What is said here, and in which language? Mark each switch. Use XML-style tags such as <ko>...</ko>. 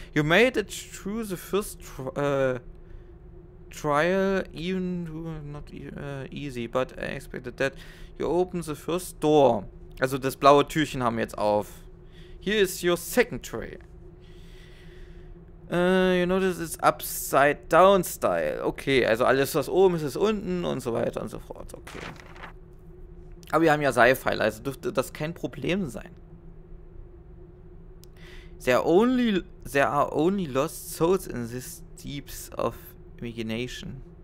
<en>You made it through the first trial, even not easy, but I expected that. You open the first door.</en> <de>Also das blaue Türchen haben wir jetzt auf.</de> <en>Here is your second trial. You notice it's upside down style.</en> <de>Okay, also alles, was oben ist, ist unten und so weiter und so fort. Okay. Aber wir haben ja Seilpfeile, also dürfte das kein Problem sein.</de> <en>There are only lost souls in this deeps of imagination.</en>